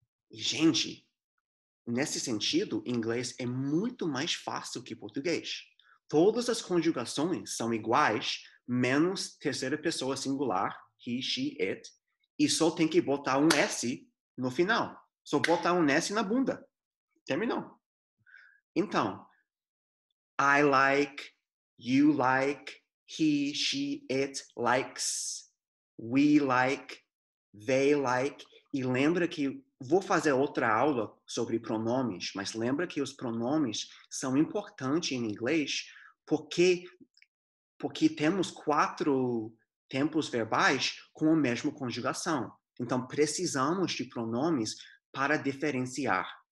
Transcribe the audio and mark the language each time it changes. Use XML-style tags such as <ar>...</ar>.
<pt>E, gente, nesse sentido, inglês é muito mais fácil que português. Todas as conjugações são iguais, menos terceira pessoa singular, he, she, it, e só tem que botar um S no final. Só botar um S na bunda. Terminou.</pt> <en>Então, I like, you like, he, she, it likes, we like, they like.</en> <pt>E lembra que, vou fazer outra aula sobre pronomes, mas lembra que os pronomes são importantes em inglês porque temos quatro tempos verbais com a mesma conjugação. Então, precisamos de pronomes para diferenciar.</pt>